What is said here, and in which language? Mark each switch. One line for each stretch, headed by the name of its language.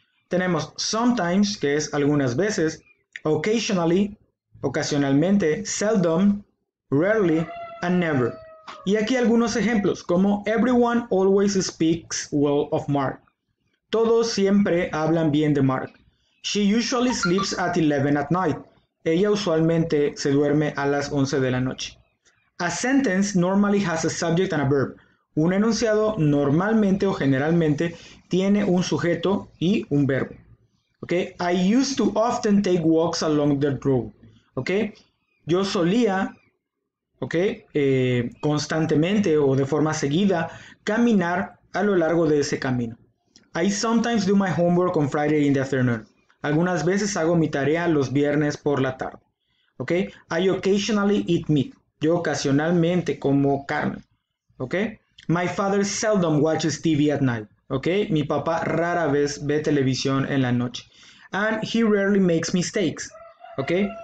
Spanish: Tenemos sometimes, que es algunas veces, occasionally, ocasionalmente, seldom, rarely, and never. Y aquí algunos ejemplos, como
English: everyone always speaks well of Mark.
Spanish: Todos siempre hablan bien de Mark.
English: She usually sleeps at 11 at night.
Spanish: Ella usualmente se duerme a las 11 de la noche.
English: A sentence normally has a subject and a verb.
Spanish: Un enunciado normalmente o generalmente tiene un sujeto y un verbo.
English: Okay? I used to often take walks along the road. Okay?
Spanish: Yo solía, okay, constantemente o de forma seguida, caminar a lo largo de ese camino.
English: I sometimes do my homework on Friday in the afternoon.
Spanish: Algunas veces hago mi tarea los viernes por la tarde.
English: Okay? I occasionally eat meat.
Spanish: Yo ocasionalmente como carne.
English: Okay? My father seldom watches TV at night. Okay?
Spanish: Mi papá rara vez ve televisión en la noche.
English: And he rarely makes mistakes.
Spanish: Okay?